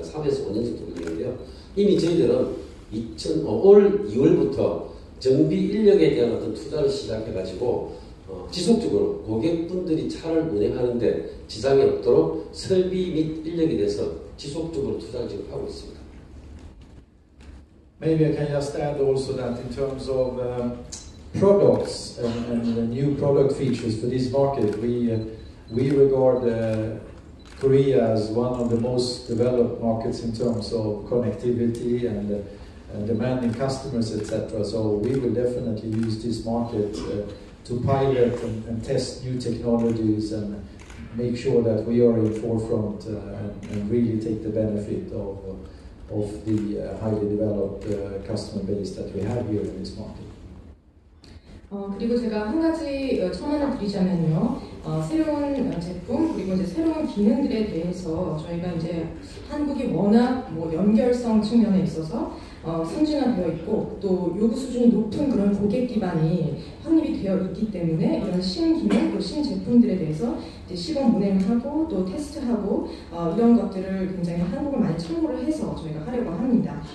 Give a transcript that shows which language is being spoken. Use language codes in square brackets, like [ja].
[ko] 3에서 5년 정도 걸리는데요. 이미 저희들은 올 2월부터 정비 인력에 대한 어떤 투자를 시작해가지고 지속적으로 고객분들이 차를 운행하는데 지장이 없도록 설비 및 인력에 대해서 지속적으로 투자를 지금 하고 있습니다. [en] Maybe I can just add also that in terms of products and new product features for this market, we regard Korea as one of the most developed markets in terms of connectivity and demanding customers, etc. So we will definitely use this market to pilot and test new technologies and make sure that we are in forefront and really take the benefit of the highly developed customer base that we have here in this market. [ko] 그리고 제가 한 가지 첨언을 드리자면요, 새로운 제품 그리고 이제 새로운 기능들에 대해서 저희가 이제 한국이 워낙 뭐 연결성 측면에 있어서 선진화되어 있고 또 요구 수준이 높은 그런 고객 기반이 확립이 되어 있기 때문에 이런 신 기능 또 신 제품들에 대해서 이제 시범 운행을 하고 또 테스트하고 이런 것들을 굉장히 한국을 많이 참고를 해서 저희가 하려고 합니다.